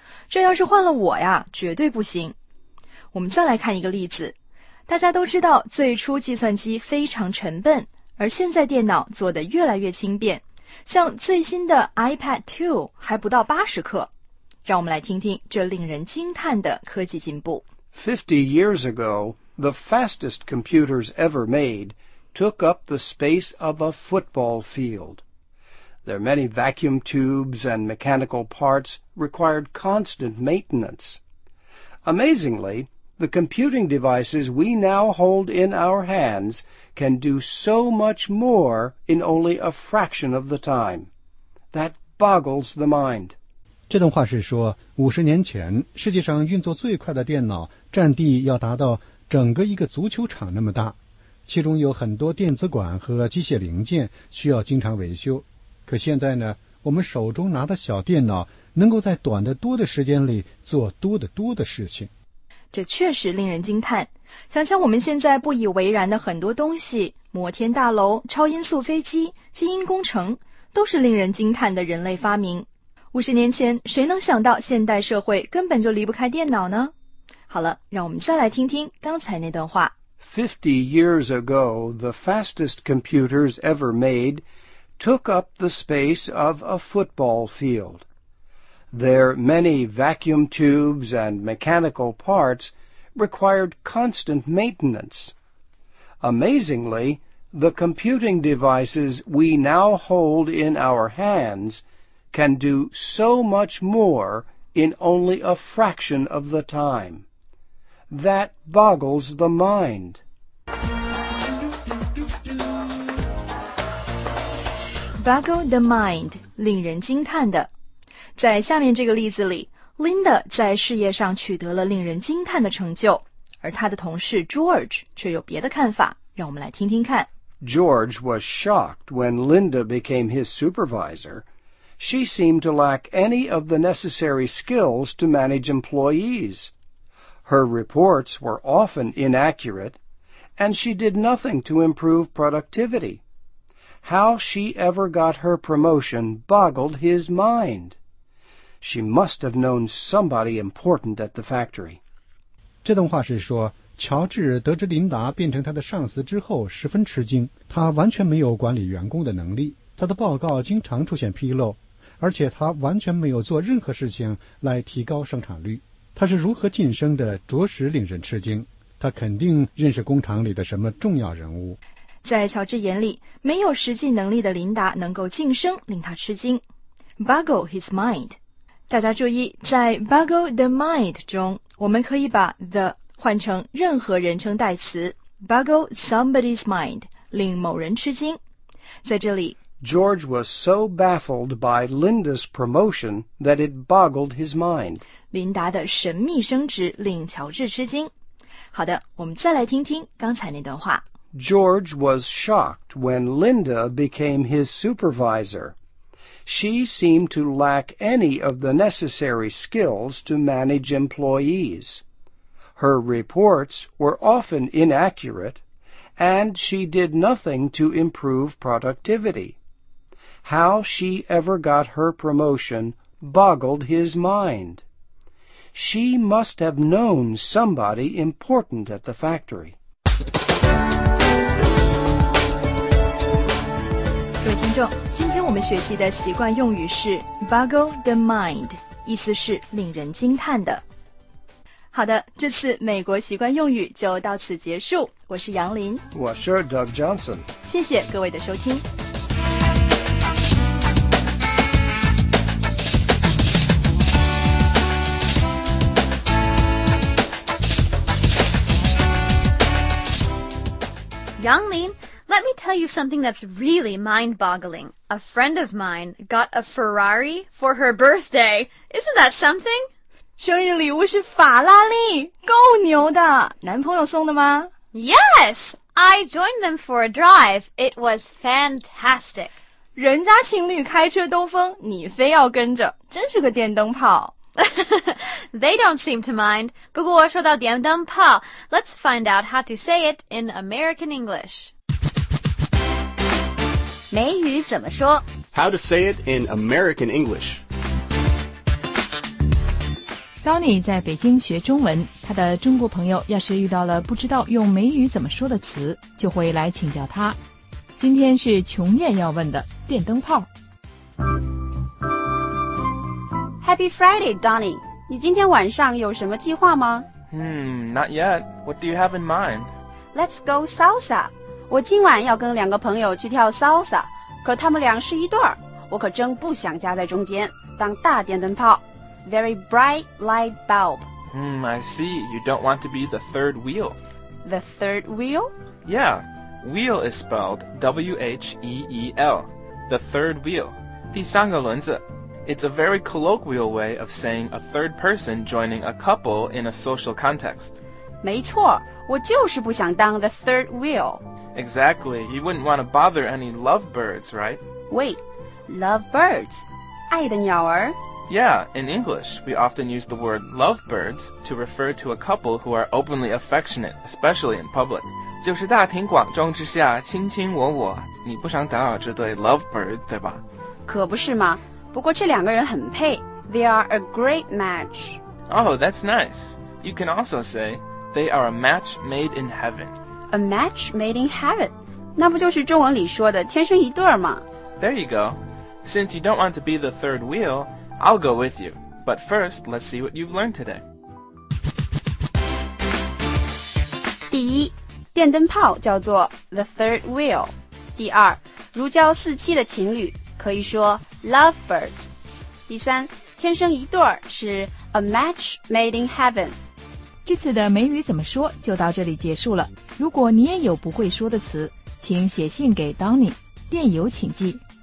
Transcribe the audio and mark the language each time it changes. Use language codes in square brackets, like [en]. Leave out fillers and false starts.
[zh] 这要是换了我呀，绝对不行。我们再来看一个例子。大家都知道，最初计算机非常沉笨，而现在电脑做得越来越轻便，像最新的 iPad 2还不到80克。让我们来听听这令人惊叹的科技进步。 [en] 50 years ago, the fastest computers ever made took up the space of a football field. Their many vacuum tubes and mechanical parts required constant maintenance. Amazingly, the computing devices we now hold in our hands can do so much more in only a fraction of the time. That boggles the mind. [zh] 这段话是说，50年前，世界上运作最快的电脑占地要达到整个一个足球场那么大，其中有很多电子管和机械零件需要经常维修。可现在呢，我们手中拿的小电脑能够在短得多的时间里做多得多的事情。这确实令人惊叹。想想我们现在不以为然的很多东西，摩天大楼、超音速飞机、基因工程，都是令人惊叹的人类发明。 50年前，谁能想到现代社会根本就离不开电脑呢？好了，让我们再来听听刚才那段话。 [en] 50 years ago, the fastest computers ever made took up the space of a football field. Their many vacuum tubes and mechanical parts required constant maintenance. Amazingly, the computing devices we now hold in our hands can do so much more in only a fraction of the time. That boggles the mind. Boggle the mind, [zh] 令人惊叹的。在下面这个例子里 ,Linda 在事业上取得了令人惊叹的成就。而他的同事 George 却有别的看法，让我们来听听看。 [en] George was shocked when Linda became his supervisor. She seemed to lack any of the necessary skills to manage employees. Her reports were often inaccurate, and she did nothing to improve productivity. How she ever got her promotion boggled his mind. She must have known somebody important at the factory. [zh] 这段话是说，乔治得知琳达变成他的上司之后十分吃惊，他完全没有管理员工的能力，他的报告经常出现纰漏，而且他完全没有做任何事情来提高生产率。他是如何晋升的，着实令人吃惊。他肯定认识工厂里的什么重要人物。在乔治眼里，没有实际能力的琳达能够晋升令他吃惊。 [en] Boggle his mind。 [zh] 大家注意，在 boggle the mind 中，我们可以把 the 换成任何人称代词 [en] boggle somebody's mind， [zh] 令某人吃惊。在这里 [en] ，George was so baffled by Linda's promotion that it boggled his mind。 [zh] 琳达的神秘升职令乔治吃惊。好的，我们再来听听刚才那段话。 [en] George was shocked when Linda became his supervisor. She seemed to lack any of the necessary skills to manage employees. Her reports were often inaccurate, and she did nothing to improve productivity. How she ever got her promotion boggled his mind. She must have known somebody important at the factory. [zh] 各位听众，今天我们学习的习惯用语是 boggle the mind， 意思是令人惊叹的。好的，这次美国习惯用语就到此结束。我是杨林，我是 Doug Johnson，谢谢各位的收听。 [en] 杨林，Let me tell you something that's really mind-boggling. A friend of mine got a Ferrari for her birthday. Isn't that something? [zh] 生日礼物是法拉利，够牛的。男朋友送的吗？ [en] Yes! I joined them for a drive. It was fantastic. [zh] 人家情侣开车兜风，你非要跟着，真是个电灯泡。 [en] They don't seem to mind. [zh] 不过说到电灯泡， [en] let's find out how to say it in American English. [zh] 美语怎么说？ [en] How to say it in American English. [zh] Donnie 在北京学中文，他的中国朋友要是遇到了不知道用美语怎么说的词，就会来请教他。今天是琼艳要问的电灯泡。 [en] Happy Friday, Donnie. [zh] 你今天晚上有什么计划吗？ [en] Not yet. What do you have in mind? Let's go salsa. [zh] 我今晚要跟两个朋友去跳 salsa， 可他们俩是一对儿，我可真不想夹在中间当大电灯泡。 [en] Very bright light bulb. I see. You don't want to be the third wheel. The third wheel? Yeah. Wheel is spelled W-H-E-E-L. The third wheel. [zh] 第三个轮子。 [en] It's a very colloquial way of saying a third person joining a couple in a social context. [zh] 没错，我就是不想当 the third wheel. [en] Exactly. You wouldn't want to bother any lovebirds, right? Wait, lovebirds? [zh] 爱的鸟儿? [en] Yeah, in English, we often use the word lovebirds to refer to a couple who are openly affectionate, especially in public. [zh] 就是大庭广众之下卿卿我我，你不想打扰这对 lovebirds, 对吧？可不是吗？不过这两个人很配。 [en] They are a great match. Oh, that's nice. You can also say, they are a match made in heaven. A match made in heaven. [zh] 那不就是中文里说的天生一对吗？ [en] There you go. Since you don't want to be the third wheel, I'll go with you. But first, let's see what you've learned today. [zh] 第一，电灯泡叫做 the third wheel。第二，如胶似漆的情侣可以说 lovebirds。第三，天生一对是 a match made in heaven。这次的美语怎么说就到这里结束了。如果你也有不会说的词，请写信给 Donny， 电邮请寄